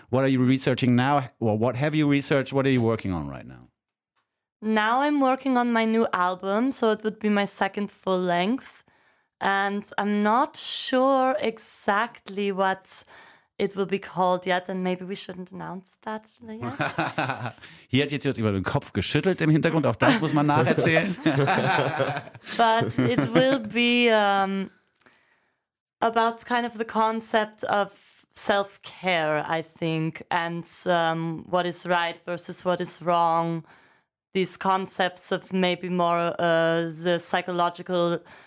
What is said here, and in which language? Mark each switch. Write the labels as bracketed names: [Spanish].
[English] What are you researching now? Well, what have you researched? What are you working on right now? Now I'm working on my new album, so it would be my second full length. And I'm not sure exactly what it will be called yet, and maybe we shouldn't announce that yet. [German] Hier hat jetzt jemand über den Kopf geschüttelt im Hintergrund, auch das muss man nacherzählen. [English] But it will be about kind of the concept of self-care, I think, and what is right versus what is wrong. These concepts of maybe more the psychological